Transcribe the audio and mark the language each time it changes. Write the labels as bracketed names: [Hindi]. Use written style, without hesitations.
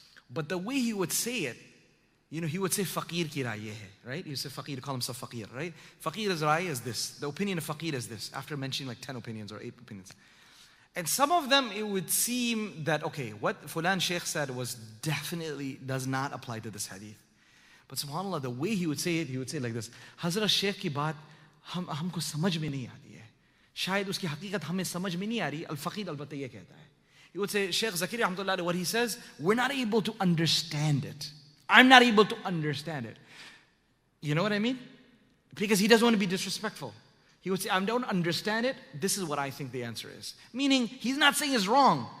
[English] But the way he would say it, you know, he would say, [Urdu] faqir ki raaye hai, [English] right? He would say, faqir, call himself faqir, right? Faqir's raaye is this. The opinion of faqir is this, after mentioning like 10 opinions or 8 opinions. And some of them, it would seem that, okay, what Fulan Sheikh said was definitely does not apply to this hadith. But subhanAllah, the way he would say it like this, [Urdu] حضرت شیخ کی بات، ہم کو سمجھ میں نہیں آتی ہے۔ شاید اس کی حقیقت ہمیں سمجھ میں نہیں آتی، الفقیر البتہ یہ کہتا ہے۔ [English] He would say, Sheikh Zakir, alhamdulillah, what he says, we're not able to understand it. I'm not able to understand it. You know what I mean? Because he doesn't want to be disrespectful. He would say, I don't understand it. This is what I think the answer is. Meaning, he's not saying it's wrong.